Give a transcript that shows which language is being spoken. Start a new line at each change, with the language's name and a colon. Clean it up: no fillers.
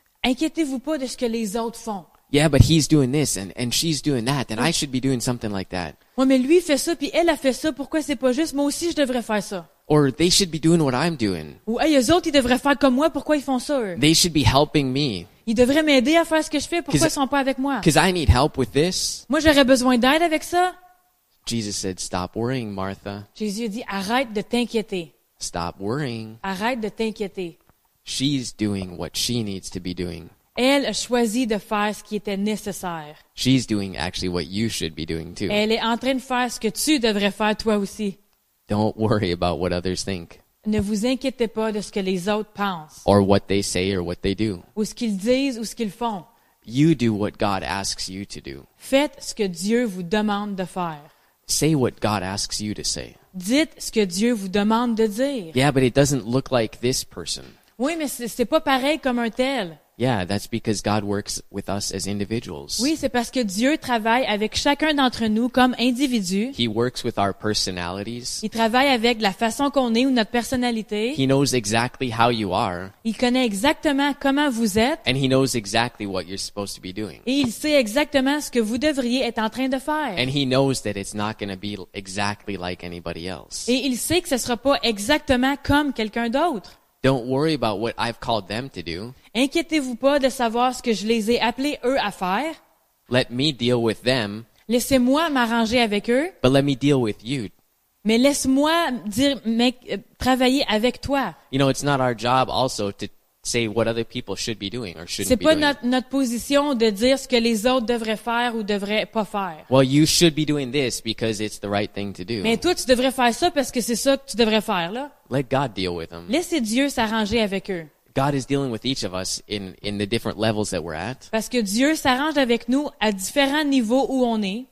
French: Inquiétez-vous pas de ce que les autres font.
English: Yeah, but he's doing this and she's doing that and I should be doing something like that.
French: Ouais, mais lui fait ça puis elle a fait ça. Pourquoi c'est pas juste? Moi aussi je devrais faire ça.
English: Or they should be doing what I'm doing.
French: Ou hey, eux autres ils devraient faire comme moi. Pourquoi ils font ça? Eux?
English: They should be helping me.
French: Ils devraient m'aider à faire ce que je fais. Pourquoi ils sont pas avec moi?
English: Because I need help with this.
French: Moi j'aurais besoin d'aide avec ça.
English: Jesus said, "Stop worrying, Martha."
French: Jésus dit, arrête de t'inquiéter.
English: Stop worrying.
French: Arrête de t'inquiéter.
English: She's doing what she needs to be doing.
French: Elle a choisi de faire ce qui était nécessaire.
English: She's doing actually what you should be doing too.
French: Elle est en train de faire ce que tu devrais faire toi aussi.
English: Don't worry about what others think.
French: Ne vous inquiétez pas de ce que les autres pensent.
English: Or what they say or what they do.
French: Ou ce qu'ils disent ou ce qu'ils font.
English: You do what God asks you to do.
French: Faites ce que Dieu vous demande de faire.
English: Say what God asks you to say.
French: Dites ce que Dieu vous demande de dire.
English: Yeah, but it doesn't look like this person.
French: Oui, mais c'est pas pareil comme un tel.
English: Yeah, that's because God works with us as individuals.
French: Oui, c'est parce que Dieu travaille avec chacun d'entre nous comme individus.
English: He works with our personalities.
French: Il travaille avec la façon qu'on est ou notre personnalité.
English: He knows exactly how you are.
French: Il connaît exactement comment vous êtes.
English: And he knows exactly what you're supposed to be doing.
French: Et il sait exactement ce que vous devriez être en train de faire.
English: And he knows that it's not going to be exactly like anybody else.
French: Et il sait que ce sera pas exactement comme quelqu'un d'autre.
English: Don't worry about what I've called them to do.
French: Inquiétez-vous pas de savoir ce que je les ai appelés eux à faire.
English: Let me deal with them.
French: Laissez-moi m'arranger avec eux.
English: But let me deal with you.
French: Mais laisse-moi dire, travailler avec toi.
English: You know, it's not our job also to say what other people should be doing or shouldn't
French: c'est
English: be doing.
French: C'est pas notre position de dire ce que les autres devraient faire ou devraient pas faire.
English: Well, you should be doing this because it's the right thing to do.
French: Mais toi, tu devrais faire ça parce que c'est ça que tu devrais faire, là.
English: Let God deal with them.
French: Laissez Dieu s'arranger avec eux.
English: God is dealing with each of us in the different levels that we're at.
French: Parce que Dieu s'arrange avec nous à différents niveaux où on est.